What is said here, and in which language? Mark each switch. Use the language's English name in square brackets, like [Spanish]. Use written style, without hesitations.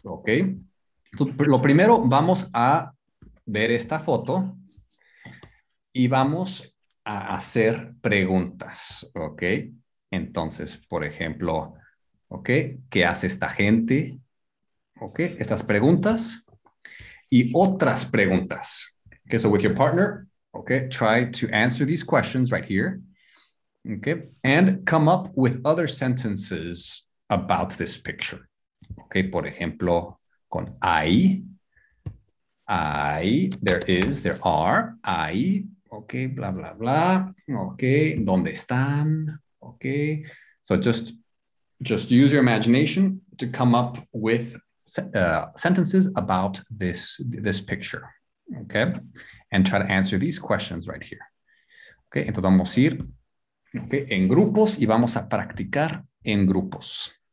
[Spanish] Okay, entonces, lo primero, vamos a ver esta foto y vamos a hacer preguntas. Okay, entonces, por ejemplo, okay, ¿qué hace esta gente? Okay, estas preguntas y otras preguntas. [English] Okay, so with your partner, okay, try to answer these questions right here. Okay, and come up with other sentences about this picture. Okay, [Spanish] por ejemplo, con [English] I, there is, there are, I, okay, blah, blah, blah. [Spanish] Okay, ¿dónde están? [English] Okay, so just use your imagination to come up with sentences about this picture. Okay, and try to answer these questions right here. [Spanish] Okay, entonces vamos a ir okay, en grupos y vamos a practicar en grupos.